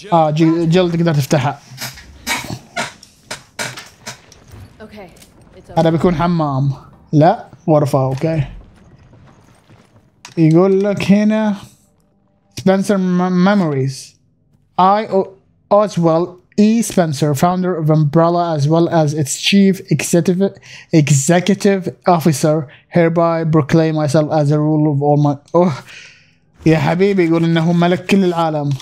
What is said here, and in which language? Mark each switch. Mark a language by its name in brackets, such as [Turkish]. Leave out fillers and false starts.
[Arabic] جيل تقدر تفتحها. هذا بيكون حمام. لا غرفة. أوكي يقول لك هنا Spencer Memories. [English] I, Oswald E. Spencer, founder of Umbrella as well as its chief executive officer, hereby proclaim myself as the ruler of all my... [Arabic] Oh, يا حبيبي يقول إنه ملك كل العالم.